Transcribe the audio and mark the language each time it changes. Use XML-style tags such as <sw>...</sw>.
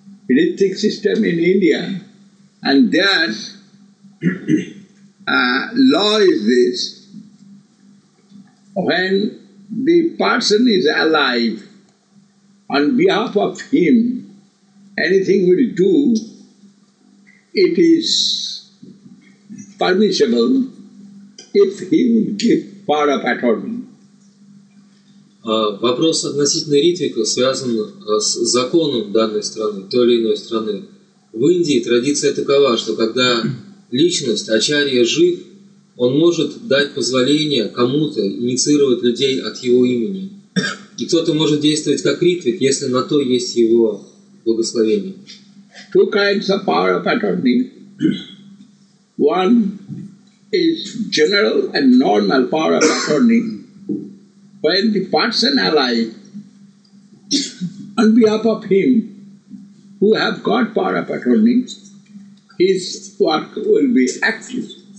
<en>Ritvik system in India, and there law is this, when the person is alive, on behalf of him, anything will do, it is permissible if he would give power of attorney.</en> <ru>Вопрос относительно ритвика связан с законом данной страны, той или иной страны. В Индии традиция такова, что когда личность, ачарья, жив, он может дать позволение кому-то инициировать людей от его имени. И кто-то может действовать как ритвик, если на то есть его благословение.</ru> <en>Two kinds of power of attorney. One is general and normal power of attorney. When the person alive, on behalf of him, who have got power of attorney, his work will be active.</en>